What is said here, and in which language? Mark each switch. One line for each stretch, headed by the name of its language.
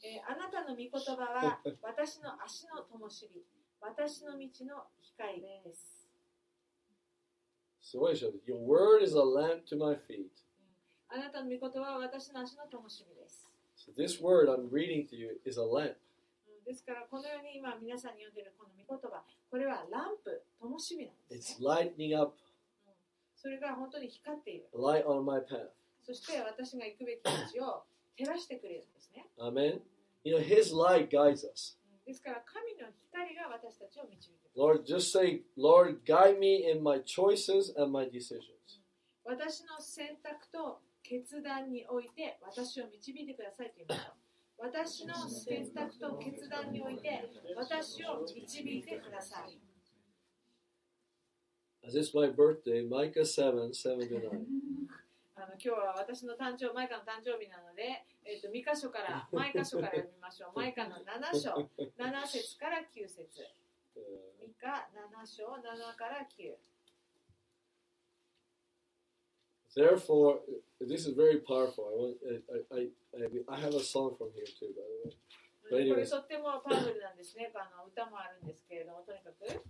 Japanese: あなたの御言葉は私の足の灯火。私の道の光です。すごいでしょ。
English: Your word is a lamp to my feet.
Japanese: あなたの御言葉は私の足の灯火です。
English: So this word I'm reading to you is a lamp.
Japanese: ですからこのように今皆さんに読んでいるこの御言葉、これはランプ、灯火なんですね。
English: It's lighting up.
Japanese: それが本当に光っている。
English: Light on my path.
Japanese: そして私が行くべき道を照らしてくれるんですね。
English: Amen. You know, His light guides us.
Japanese: ですから神の光が私たちを導いています
English: 。 Lord, just say, Lord, guide me in my choices and my decisions.
Japanese: 私の選択と決断において私を導いてくださいと言いましょう。私の選択と決断において私を導いてください。
English: As it's my birthday, Micah 7:7-9.
Japanese: 今日は私の誕生、マイカの誕生日なので、ミカ書から、マイカ書から読みましょう。マイカの7章、7節から9節。ミカ7章、7から9。
English: Therefore, this is very powerful. I have a song from here too, by the way.
Japanese: これとってもパワフルなんですね。歌もあるんですけれども、とにかく。